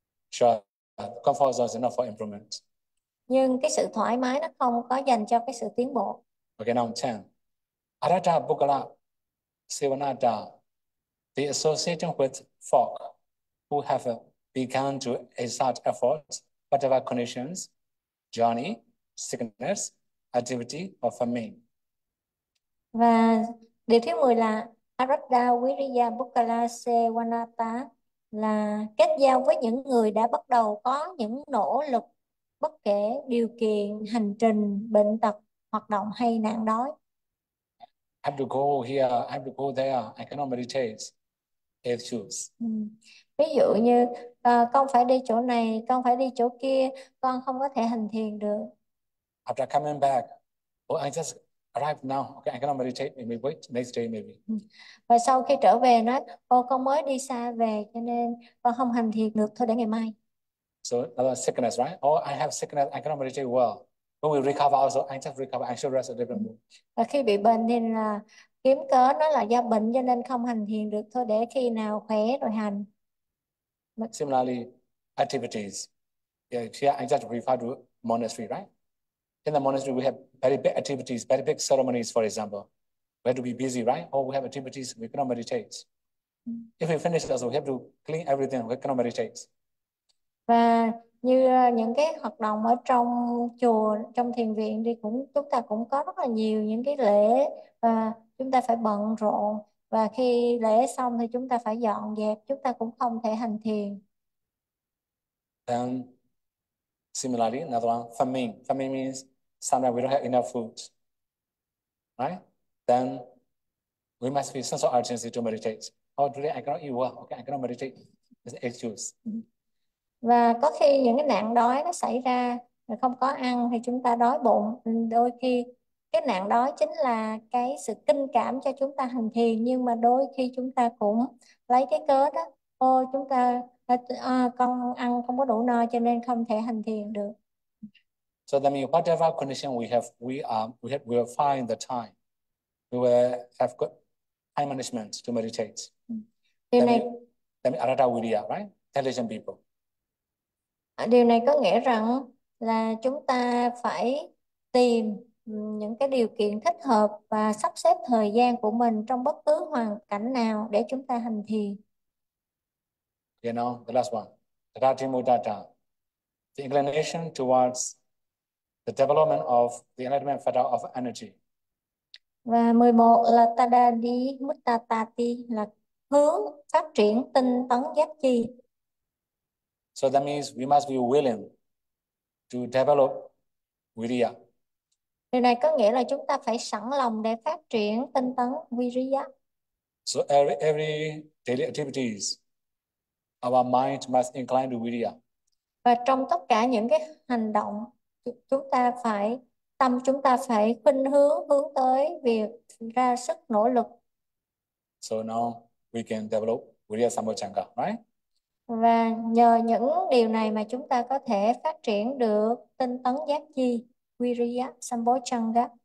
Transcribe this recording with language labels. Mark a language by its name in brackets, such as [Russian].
[English] Sure, comfort zone is enough for improvement. [Vietnamese] Nhưng cái sự thoải mái nó không có dành cho cái sự tiến bộ. [English] Okay, now 10. Arata Bukala Sivanata. The association with folk who have begun to exert effort whatever conditions, journey, sickness, activity, or famine. [Vietnamese] Và điều thứ 10 là Arada Viriya Bukala Sewanata, là kết giao với những người đã bắt đầu có những nỗ lực bất kể điều kiện, hành trình, bệnh tật, hoạt động hay nạn đói. [English] I have to go here, I have to go there, I cannot meditate. If choose. [Vietnamese] Ví dụ như con phải đi chỗ này, con phải đi chỗ kia, con không có thể hành thiền được. [English] After coming back, oh, I just arrived now. Okay, I cannot meditate. Maybe wait next day, maybe. [Vietnamese] Và sau khi trở về nói, ô con mới đi xa về cho nên con không hành thiền được, thôi để ngày mai. [English] So another sickness, right? Oh, I have sickness, I cannot meditate well. When we recover also, I just recover, I should rest a different mood. [Vietnamese] Và khi bị bệnh thì là kiếm cớ nó là do bệnh cho nên không hành thiền được, thôi để khi nào khỏe rồi hành. [English] Similarly, activities. Yeah, here I just refer to monastery, right? In the monastery, we have very big activities, very big ceremonies, for example. We have to be busy, right? Or we have activities, we cannot meditate. If we finish also, we have to clean everything, we cannot meditate. [Vietnamese] Và như những cái hoạt động ở trong chùa, trong thiền viện thì cũng chúng ta cũng có rất là nhiều những cái lễ và chúng ta phải bận rộn, và khi lễ xong thì chúng ta phải dọn dẹp, chúng ta cũng không thể hành thiền. [English] Then, similarly, another one, famine. Famine means sometimes we don't have enough food, right? Then, we must feel sense of urgency to meditate. Oh, today I cannot eat well. Okay, I cannot meditate. It's an excuse. [Vietnamese] Và có khi những cái nạn đói nó xảy ra, mà không có ăn thì chúng ta đói bụng. Đôi khi cái nạn đói chính là cái sự kinh cảm cho chúng ta hành thiền, nhưng mà đôi khi chúng ta cũng lấy cái cớ đó, ôi chúng ta con ăn không có đủ no cho nên không thể hành thiền được. [English] So that means whatever condition we will find the time. We will have good time management to meditate. That means Arata Wiriya, right? Intelligent people. [Vietnamese] Điều này có nghĩa rằng là chúng ta phải tìm những cái điều kiện thích hợp và sắp xếp thời gian của mình trong bất cứ hoàn cảnh nào để chúng ta hành thiền. [English] You know, the last one. Rati Mudata. The inclination towards the development of the enlightenment factor of energy. [Vietnamese] Và 11 là Tadadi Muttatati, là hướng phát triển tinh tấn giác chi. [English] So that means we must be willing to develop Viriya. [Vietnamese] Điều này có nghĩa là chúng ta phải sẵn lòng để phát triển tinh tấn Viriya. [English] So every daily activities, our mind must incline to Viriya. [Vietnamese] Và trong tất cả những cái hành động, chúng ta phải, tâm chúng ta phải khuynh hướng, hướng tới việc ra sức nỗ lực. [English] So now we can develop Viriya Sambhojanga, right? [Vietnamese] Và nhờ những điều này mà chúng ta có thể phát triển được tinh tấn giác chi, Viriya Sambhojanga.